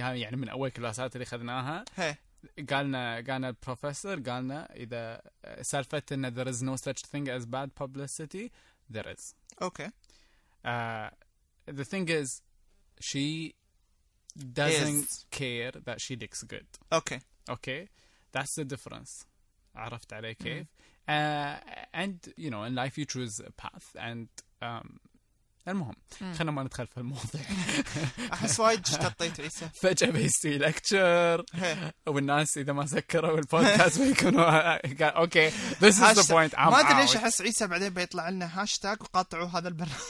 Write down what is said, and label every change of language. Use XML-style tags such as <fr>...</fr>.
<ar>هاي يعني من أول كلاسات اللي خذناها. قالنا البروفيسور قالنا إذا سالفت إن</ar> <en>there is no such thing as bad publicity, there is. Okay. The thing is. She doesn't care that she looks good. Okay. Okay. That's the difference.</en> <ar>عرفت علي كيف.</ar> <en>And you know, in life you choose a path. And</en> <ar>المهم خلنا ما ندخل في الموضوع. أحس وايد تطيت عيسى. فجأة بيستوي لكتشر. والناس إذا ما سكروا البودكاست بيكونوا okay.</ar> <en>This is the point.</en> <ar>ما أدري إيش أحس عيسى بعدين بيطلع لنا هاشتاق وقاطعوا هذا البرنامج.</ar>